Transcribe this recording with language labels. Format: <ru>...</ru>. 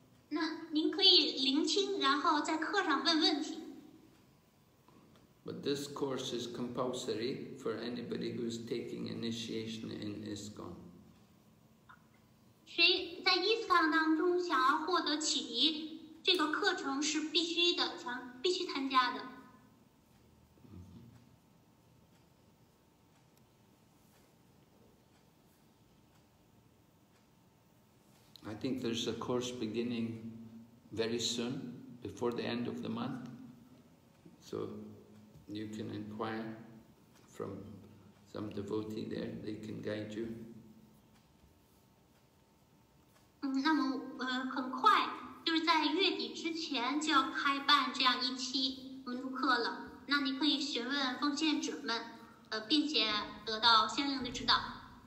<zh>那您可以聆听，然后在课上问问题。</zh> <en>But this course is compulsory for anybody who's taking initiation in ISKCON.</en> <zh>谁在 ISKCON 当中想要获得启迪，这个课程是必须的，必须参加的。</zh> <en>I think there's a course beginning very soon, before the end of the month. So you can inquire from some devotee there, they can guide you.</en> <zh>那么很快就是在月底之前就要开办这样一期门徒课了，那你可以询问奉献者们并且得到相应的指导。</zh>